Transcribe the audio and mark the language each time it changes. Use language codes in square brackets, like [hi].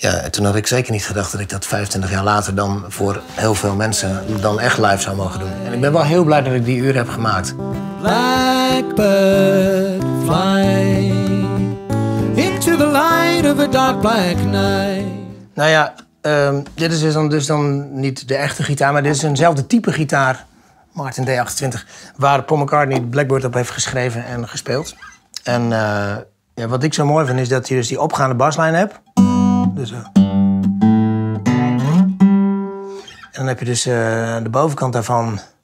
[nl] Toen had ik zeker niet gedacht dat ik dat 25 jaar later dan voor heel veel mensen dan echt live zou mogen doen. En ik ben wel heel blij dat ik die uren heb gemaakt. [en] Blackbird fly into the light of a dark black night. [nl] Nou ja, dit is dus dan niet de echte gitaar, maar dit is eenzelfde type gitaar, Martin D28, waar Paul McCartney Blackbird op heeft geschreven en gespeeld. En wat ik zo mooi vind is dat je dus die opgaande baslijn hebt. Dus, en dan heb je dus de bovenkant daarvan.